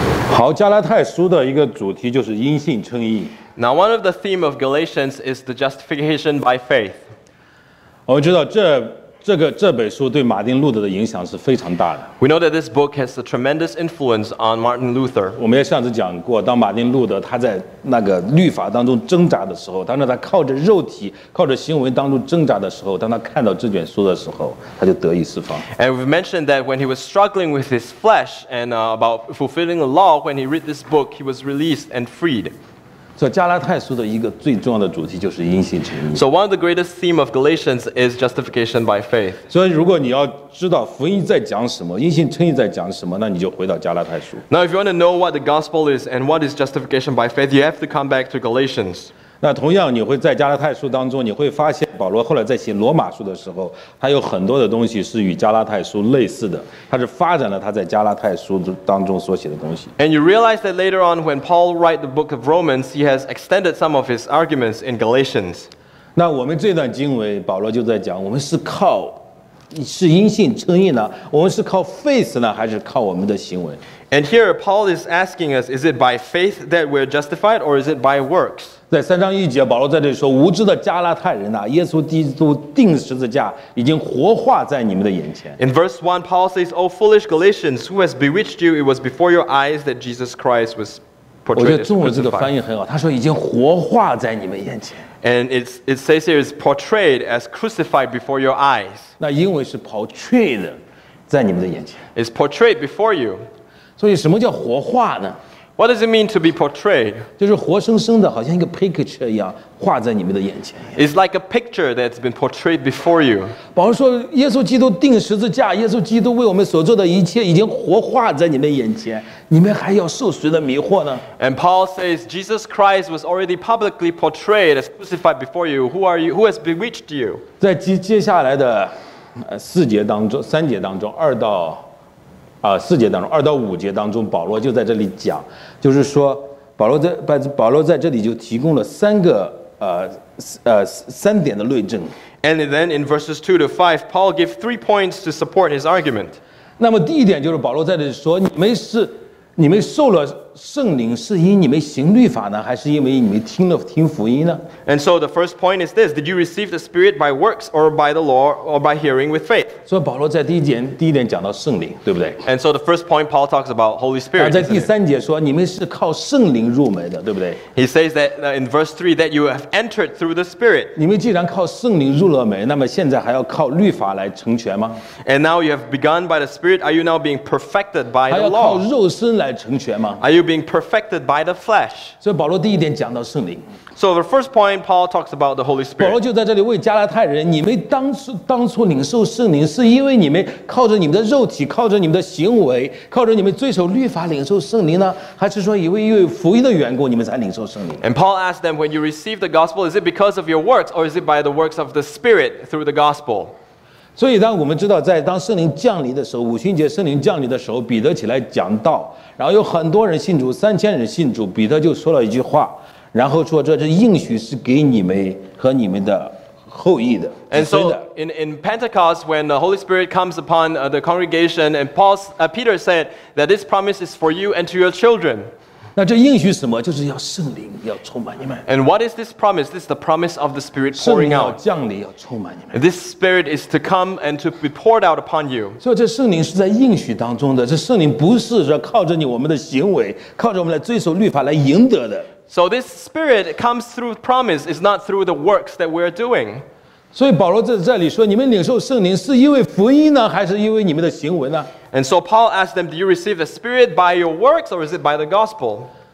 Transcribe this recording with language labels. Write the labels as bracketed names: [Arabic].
[Chinese] 好，加拉太书的一个主题就是因信称义。 [English] Now one of the theme of Galatians is the justification by faith. [Chinese] 我们知道这这本书对马丁路德的影响是非常大的。 [English] We know that this book has a tremendous influence on Martin Luther. [Chinese] 我们也上次讲过，当马丁路德他在那个律法当中挣扎的时候，当他靠着肉体、靠着行为当中挣扎的时候，当他看到这卷书的时候，他就得以释放。 [English] And we've mentioned that when he was struggling with his flesh and about fulfilling the law, when he read this book, he was released and freed. [Chinese] 所以加拉太书的一个最重要的主题就是因信称义。 [English] So one of the greatest theme of Galatians is justification by faith. [Chinese] 所以如果你要知道福音在讲什么，因信称义在讲什么，那你就回到加拉太书。 [English] Now if you want to know what the gospel is and what is justification by faith, you have to come back to Galatians. [Chinese] 那同样你会在加拉太书当中，你会发现保罗后来在写罗马书的时候，他有很多的东西是与加拉太书类似的，他是发展了他在加拉太书当中所写的东西。 [English] And you realize that later on when Paul write the book of Romans, he has extended some of his arguments in Galatians. [Chinese] 那我们这段经文保罗就在讲，我们是靠是因信称义呢，我们是靠 faith 呢，还是靠我们的行为？ [English] And here Paul is asking us, is it by faith that we're justified or is it by works? [Chinese] 在三章一节，保罗在这里说：“无知的加拉太人呐、啊，耶稣基督钉十字架已经活化在你们的眼前。” [English] In verse 1, Paul says, "O foolish Galatians, who has bewitched you? It was before your eyes that Jesus Christ was portrayed." [Chinese] 我觉得中文这个翻译很好，他说已经活化在你们眼前。 [English] And it says here is portrayed as crucified before your eyes. [Chinese] 那英文是 portrayed 在你们的眼前。 [English] It's portrayed before you. [Chinese] 所以什么叫活化呢？ [English] What does it mean to be portrayed? [Chinese] 就是活生生的，好像一个 picture 一样，画在你们的眼前。 [English] It's like a picture that's been portrayed before you. [Chinese] 保罗说，耶稣基督钉十字架，耶稣基督为我们所做的一切已经活化在你们眼前，你们还要受谁的迷惑呢？ [English] And Paul says Jesus Christ was already publicly portrayed as crucified before you. Who are you? Who has bewitched you? [Chinese] 在接下来的四节当中，三节当中，二到。四节当中，二到五节当中，保罗就在这里讲，就是说，保罗在这里就提供了三个三点的论证。 [English] And then in verses 2-5, Paul gives 3 points to support his argument. [Chinese] 那么第一点就是保罗在这里说，你们受了圣灵是因你们行律法呢，还是因为你们听福音呢？ [English] And so the first point is this: Did you receive the Spirit by works or by the law or by hearing with faith? [Chinese] 所以保罗在第一点讲到圣灵，对不对？ [English] And so the first point Paul talks about Holy Spirit. [Chinese] 在第三节说你们是靠圣灵入门的，对不对？ [English] He says that in verse 3 that you have entered through the Spirit. [Chinese] 你们既然靠圣灵入了门，那么现在还要靠律法来成全吗？ [English] And now you have begun by the Spirit. Are you now being perfected by the law? [Chinese] 还要靠肉身来成全吗？ [English] Are you being perfected by the flesh. [Chinese] 所以保罗第一点讲到圣灵。 [English] So the first point Paul talks about the Holy Spirit. [Chinese] 保罗就在这里为加拉太人，你们当初领受圣灵是因为你们靠着你们的肉体，靠着你们的行为，靠着你们遵守律法领受圣灵呢，还是说因为福音的缘故你们才领受圣灵？ [English] And Paul asked them, when you receive the gospel, is it because of your works or is it by the works of the Spirit through the gospel? [Chinese] 所以当我们知道在当圣灵降临的时候，五旬节圣灵降临的时候，彼得起来讲道，然后有很多人信主，三千人信主，彼得就说了一句话，然后说这是应许是给你们和你们的后裔的。 [English] And so in Pentecost, when the Holy Spirit comes upon the congregation, and Peter said that this promise is for you and to your children. [Chinese] 那这应许什么？就是要圣灵要充满你们。 [English] And what is this promise? This is the promise of the Spirit pouring out. [Chinese] 圣灵要降临，要充满你们。 [English] This Spirit is to come and to be poured out upon you. [Chinese] 所以这圣灵是在应许当中的，这圣灵不是说靠着我们的行为，靠着我们来遵守律法来赢得的。 [English] So this Spirit comes through promise, it's not through the works that we're doing. [Chinese] 所以保罗在这里说，你们领受圣灵是因为福音呢，还是因为你们的行为呢？ [English] And so Paul asked them, do you receive the Spirit by your works or is it by the gospel?